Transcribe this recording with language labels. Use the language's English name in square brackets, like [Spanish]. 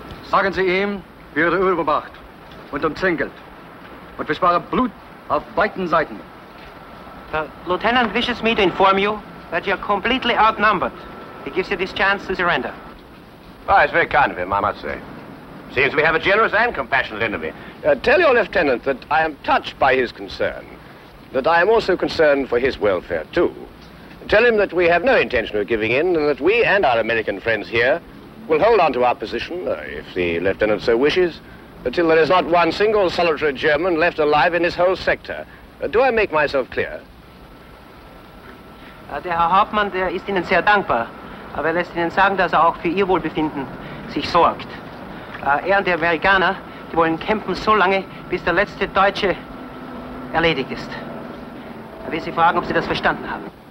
[German] Sagen Sie ihm, wie er überwacht und umzingelt. Und wir sparen Blut auf beiden Seiten. [English] The Lieutenant wishes me to inform you that you are completely outnumbered. He gives you this chance to surrender. Well, it's very kind of him, I must say. Seems we have a generous and compassionate enemy. Tell your Lieutenant that I am touched by his concern. That I am also concerned for his welfare, too. Tell him that we have no intention of giving in and that we and our American friends here we'll hold on to our position, if the lieutenant so wishes, until there is not one single solitary German left alive in this whole sector. Do I make myself clear? [German] Der Herr Hauptmann, der ist Ihnen sehr dankbar, aber er lässt Ihnen sagen, dass er auch für Ihr Wohlbefinden sich sorgt. Er und die Amerikaner, die wollen kämpfen so lange, bis der letzte Deutsche erledigt ist. Er will Sie fragen, ob Sie das verstanden haben.